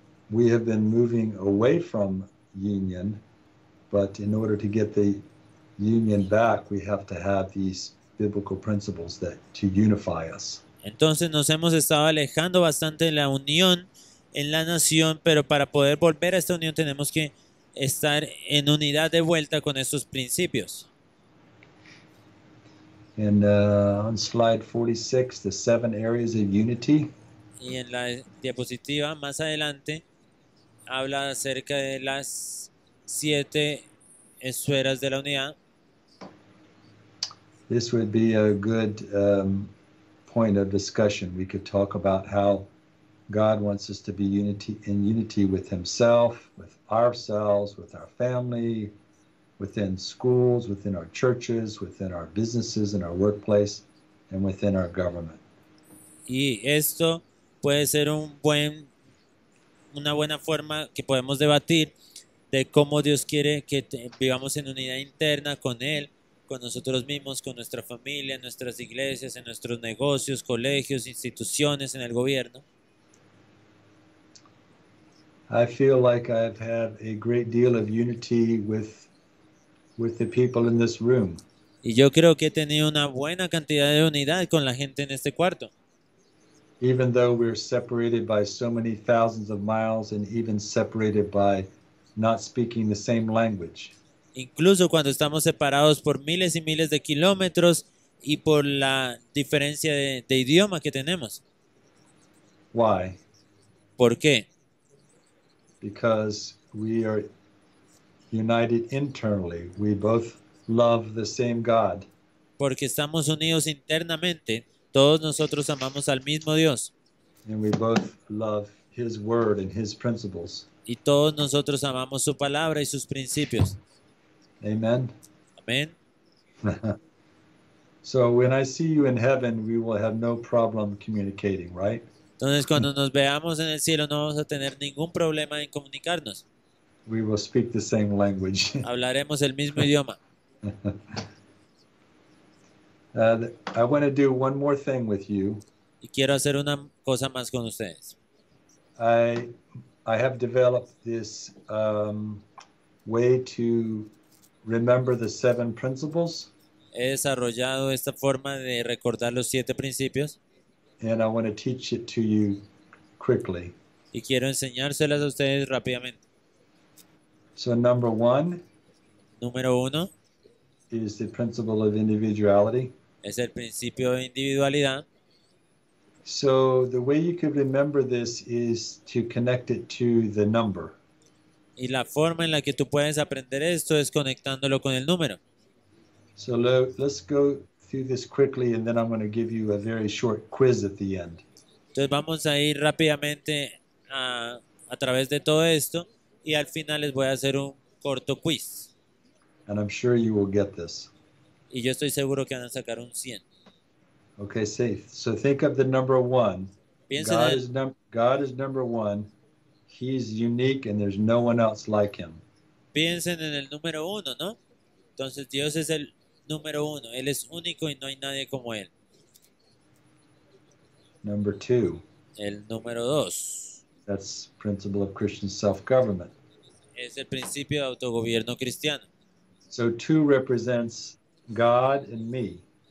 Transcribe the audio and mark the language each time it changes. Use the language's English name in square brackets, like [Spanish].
[English] We have been moving away from union, but in order to get the union back, we have to have these biblical principles that to unify us. [Spanish] Entonces nos hemos estado alejando bastante de la unión en la nación, pero para poder volver a esta unión tenemos que estar en unidad de vuelta con estos principios. [English] And on slide 46, the seven areas of unity. [Spanish] Y en la diapositiva más adelante habla acerca de las siete esferas de la unidad. [English] This would be a good point of discussion. We could talk about how God wants us to be unity in unity with Himself, with ourselves, with our family, within schools, within our churches, within our businesses and our workplace, and within our government. [Spanish] Y esto puede ser una buena forma que podemos debatir de cómo Dios quiere que vivamos en unidad interna con Él, con nosotros mismos, con nuestra familia, en nuestras iglesias, en nuestros negocios, colegios, instituciones, en el gobierno. [English] I feel like I've had a great deal of unity with the people in this room. [Spanish] Y yo creo que he tenido una buena cantidad de unidad con la gente en este cuarto. [English] Even though we're separated by so many thousands of miles and even separated by not speaking the same language. [Spanish] Incluso cuando estamos separados por miles y miles de kilómetros y por la diferencia de idioma que tenemos. [English] Why? [Spanish] ¿Por qué? [English] Because we are united internally. We both love the same God. [Spanish] Porque estamos unidos internamente. Todos nosotros amamos al mismo Dios. [English] And we both love His word and His principles. [Spanish] Y todos nosotros amamos su palabra y sus principios. [English] Amen. [Spanish] Amén. [English] So when I see you in heaven, we will have no problem communicating, right? [Spanish] Entonces, cuando nos veamos en el cielo, no vamos a tener ningún problema en comunicarnos. [English] We will speak the same language. [Spanish] Hablaremos el mismo idioma. [English] I want to do one more thing with you. [Spanish] Y quiero hacer una cosa más con ustedes. [English] I have developed this way to remember the seven principles. [Spanish] He desarrollado esta forma de recordar los siete principios. [English] And I want to teach it to you quickly. [Spanish] Y quiero enseñárselas a ustedes rápidamente. [English] So number one [Spanish] Número uno [English] is the principle of individuality. [Spanish] es el principio de individualidad. [English] So the way you could remember this is to connect it to the number. [Spanish] Y la forma en la que tú puedes aprender esto es conectándolo con el número. [English] So let's go through this quickly and then I'm going to give you a very short quiz at the end. [Spanish] Entonces vamos a ir rápidamente a través de todo esto y al final les voy a hacer un corto quiz. [English] And I'm sure you will get this. [Spanish] Y yo estoy seguro que van a sacar un 100. [English] Okay, safe. So think of the number one. [Spanish] Piensen [English] God [Spanish] en [English] is number one. He's unique and there's no one else like him. [Spanish] el número uno, ¿no? Entonces Dios es el número uno. Él es único y no hay nadie como él. [English] Number two. [Spanish] El número dos [English] That's principle of Christian self-government. [Spanish] es el principio de autogobierno cristiano. [English] So two represents God and me.